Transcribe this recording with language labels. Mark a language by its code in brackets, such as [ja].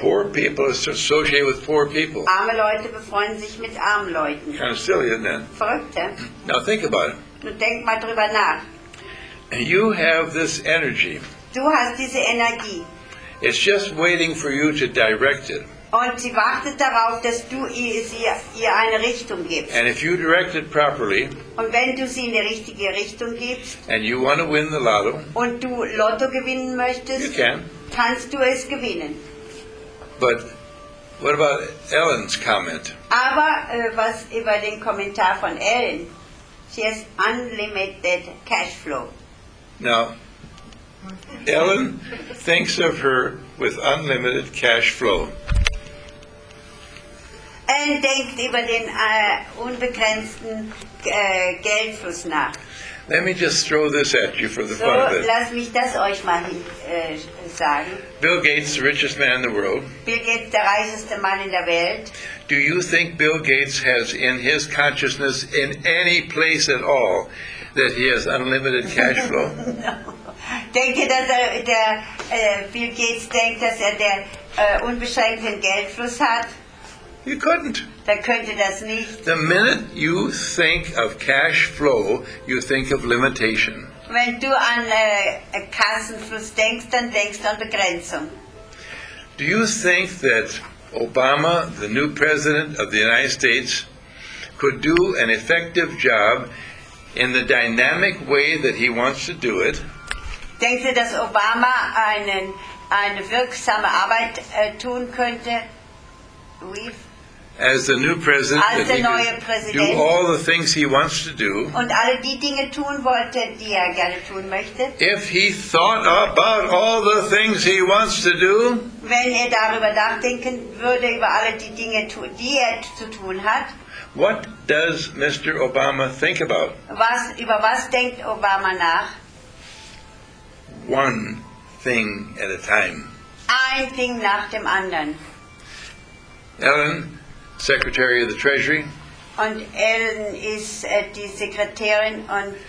[en] Poor people associate with poor people. [de] Arme Leute befreunden sich mit armen Leuten. [en] Kind of silly, isn't it? [de] Verrückt, ja? [en] Now think about it. [de] Nun denk mal drüber nach. [en] You have this energy. [de] Du hast diese Energie. [en] It's just waiting for you to direct it. [de] Und sie wartet darauf, dass du ihr eine Richtung gibst. [en] And if you direct it properly, [de] und wenn du sie in die richtige Richtung gibst, [en] and you want to win the lotto, [de] und du Lotto gewinnen möchtest, [en] you can. [de] Kannst du es gewinnen. [en] But what about Ellen's comment? [de] Aber was über den Kommentar von Ellen? [en] She has unlimited cash flow. Now, Ellen thinks of her with unlimited cash flow. [de] Ellen denkt über den unbegrenzten Geldfluss nach. [en] Let me just throw this at you for the so, fun of it. [de] Lass mich das euch mal sagen. [en] Bill Gates, the richest man in the world. [de] Bill Gates, der reichste Mann in der Welt. [en] Do you think Bill Gates has in his consciousness in any place at all that he has unlimited cash flow? No. [de] Denke, dass Bill Gates denkt, dass er den unbeschränkten Geldfluss hat? [en] You couldn't. [de] Dann könnte das nicht. [en] The minute you think of cash flow, you think of limitation. [de] Wenn du an Kassenfluss denkst, dann denkst du an Begrenzung. [en] Do you think that Obama, the new president of the United States, could do an effective job in the dynamic way that he wants to do it? [de] Denkst du, dass Obama eine wirksame Arbeit tun könnte? [en] As the new president, [de] als der neue Präsident, [en] do all the things he wants to do. [de] Und alle die Dinge tun wollte, die er gerne tun möchte. [en] If he thought about all the things he wants to do, [de] wenn er darüber nachdenken würde über alle die Dinge, die er zu tun hat. [en] What does Mr. Obama think about? [de] Was über was denkt Obama nach? [en] One thing at a time. [de] Ein Ding nach dem anderen. [en] Ellen, Secretary of the Treasury. [de] Und Ellen ist die Sekretärin und.